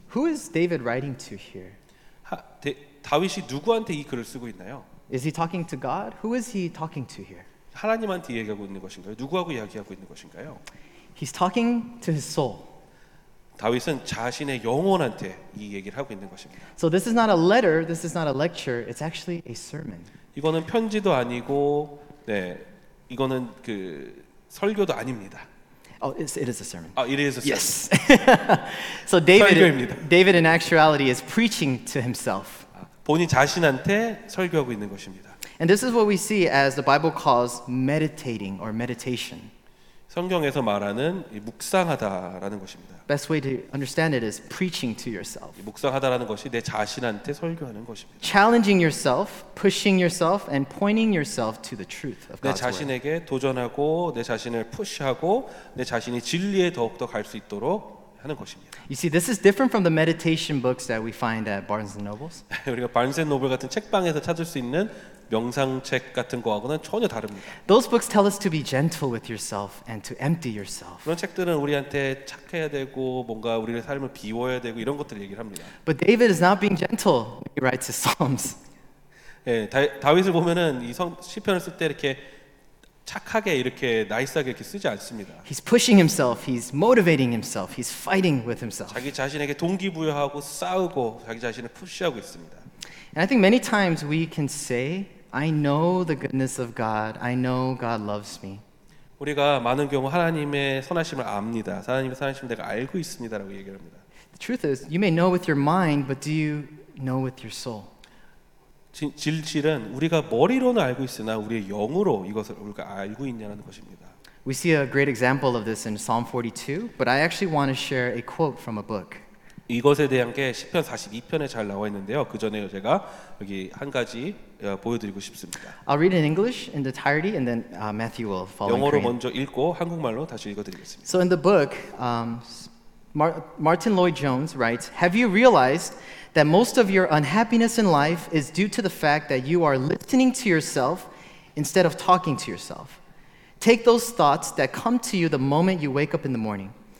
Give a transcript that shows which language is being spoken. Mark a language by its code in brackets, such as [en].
[en] Who is David writing to here? [ko] 다윗이 누구한테 이 글을 쓰고 있나요? [en] Is he talking to God? Who is he talking to here? [ko] 하나님한테 이야기하고 있는 것인가요? 누구하고 이야기하고 있는 것인가요? [en] He's talking to his soul. [ko] 다윗은 자신의 영혼한테 이 얘기를 하고 있는 것입니다. [en] So this is not a letter, this is not a lecture, it's actually a sermon. [ko] 이거는 편지도 아니고 네, 이거는 그 설교도 아닙니다. [en] Oh, it is a sermon. Oh, it is a sermon. Yes. So David in actuality is preaching to himself. [ko] 본인 자신한테 설교하고 있는 것입니다. [en] And this is what we see as the Bible calls meditating or meditation. [ko] 성경에서 말하는 묵상하다라는 것입니다. [en] Best way to understand it is preaching to yourself. [ko] 묵상하다라는 것이 내 자신한테 설교하는 것입니다. [en] Challenging yourself, pushing yourself, and pointing yourself to the truth of God's word. [ko] 내 자신에게 도전하고 내 자신을 푸시하고 내 자신이 진리에 더욱더 갈 수 있도록 하는 것입니다. [en] You see, this is different from the meditation books that we find at Barnes and Noble. [ko] 우리가 Barnes & Noble 같은 책방에서 찾을 수 있는 명상책 같은 거하고는 전혀 다릅니다. [en] Those books tell us to be gentle with yourself and to empty yourself. [ko] 그런 책들은 우리한테 착해야 되고 뭔가 우리의 삶을 비워야 되고 이런 것들을 얘기를 합니다. [en] But David is not being gentle when he writes his psalms. [ko] 예, 다윗을 보면은 이 시편을 쓸 때 이렇게 착하게 이렇게 나이스하게 이렇게 쓰지 않습니다. [en] He's pushing himself, he's motivating himself, he's fighting with himself. [ko] 자기 자신에게 동기부여하고 싸우고 자기 자신을 푸시하고 있습니다. [en] And I think many times we can say, I know the goodness of God. I know God loves me. [ko] 우리가 많은 경우 하나님의 선하심을 압니다. 하나님의 선하심을 내가 알고 있습니다라고 얘기를 합니다. [en] The truth is, you may know with your mind, but do you know with your soul? [ko] 진실은 우리가 머리로는 알고 있으나 우리의 영으로 이것을 우리가 알고 있냐는 것입니다. [en] We see a great example of this in Psalm 42, but I actually want to share a quote from a book. [ko] 이것에 대한 게 시편 42편에 잘 나와 있는데요. 그 전에 제가 여기 한 가지 보여드리고 싶습니다. [en] I'll read in English in the entirety, and then Matthew will follow in Korean. [ko] 영어로 먼저 읽고 한국말로 다시 읽어드리겠습니다. [en] So in the book, Martin Lloyd-Jones writes, "Have you realized that most of your unhappiness in life is due to the fact that you are listening to yourself instead of talking to yourself? Take those thoughts that come to you the moment you wake up in the morning.